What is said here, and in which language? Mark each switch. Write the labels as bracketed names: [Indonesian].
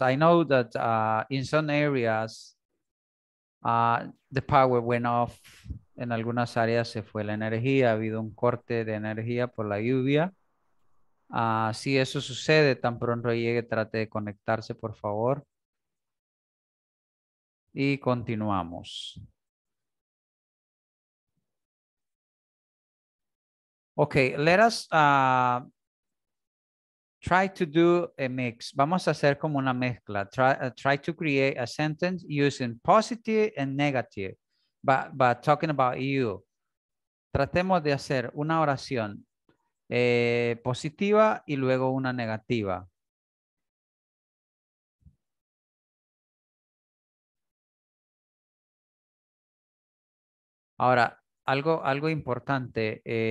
[English] I know that in some areas the power went off. [Spanish] En algunas áreas se fue la energía. Ha habido un corte de energía por la lluvia. Si eso sucede, tan pronto llegue, trate de conectarse, por favor. Y continuamos. [English] Okay, let us try to do a mix. [Spanish] Vamos a hacer como una mezcla. [English] Try to create a sentence using positive and negative, but talking about you. [Spanish] Tratemos de hacer una oración positiva y luego una negativa. Ahora, algo importante.